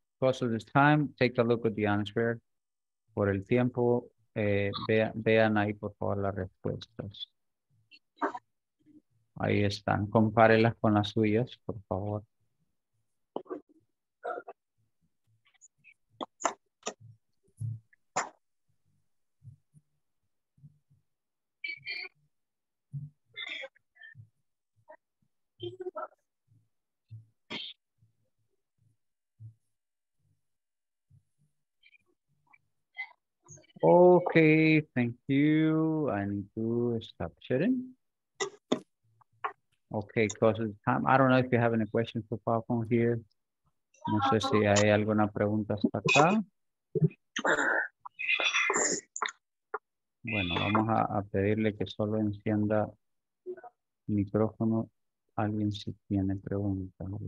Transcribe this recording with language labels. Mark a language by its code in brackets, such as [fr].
[en] Because of this time, take a look at the answer. [es] Por el tiempo. Vean ahí, por favor, las respuestas. Ahí están. Compárelas con las suyas, por favor. [en] Okay, thank you. I need to stop sharing. Okay, close the time. I don't know if you have any questions for PowerPoint here. [es] No sé si hay alguna pregunta hasta acá. Bueno, vamos a pedirle que solo encienda el micrófono. Alguien si tiene preguntas.